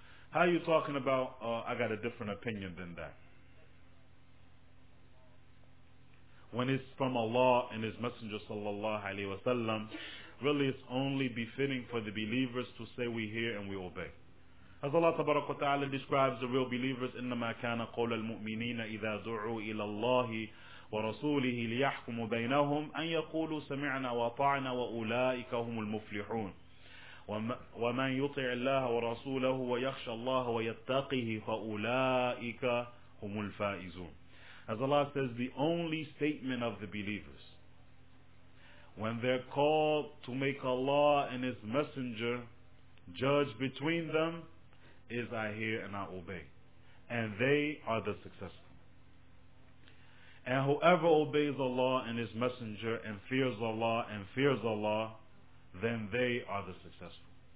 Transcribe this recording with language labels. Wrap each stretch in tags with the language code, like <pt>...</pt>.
<en>How are you talking about, I got a different opinion than that? When it's from Allah and His Messenger, sallallahu alayhi wa sallam, really it's only befitting for the believers to say we hear and we obey. As Allah tabaraka wa ta'ala describes the real believers,</en> <ar>إِنَّمَا كَانَ قَوْلَ الْمُؤْمِنِينَ إِذَا دُعُوا إِلَى اللَّهِ وَرَسُولِهِ لِيَحْكُمُ بَيْنَهُمْ أَنْ يَقُولُوا سَمِعْنَا وَطَعْنَا وَأُولَٰئِكَ هُمُ الْمُفْلِحُونَ وَمَنْ يُطِعِ اللَّهَ وَرَسُولَهُ وَيَخْشَ اللَّهَ وَيَتَّقِهِ فَأُولَٰئِكَ هُمُ الْفَائِزُونَ.</ar> <en>As Allah says, the only statement of the believers, when they're called to make Allah and His Messenger judge between them, is I hear and I obey. And they are the successful. And whoever obeys Allah and His Messenger and fears Allah and fears Allah, then they are the successful.</en>